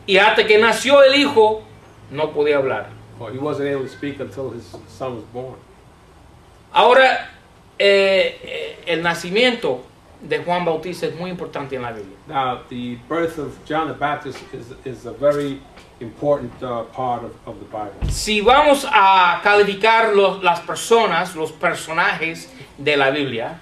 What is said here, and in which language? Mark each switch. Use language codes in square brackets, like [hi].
[es] Y hasta que nació el hijo, no podía hablar. [en] Well, he wasn't able to speak until his son was born. [es] Ahora, el nacimiento de Juan Bautista es muy importante en la Biblia. [en] Now, the birth of John the Baptist is a very important part of the Bible. [es] Si vamos a calificar las personas, los personajes de la Biblia,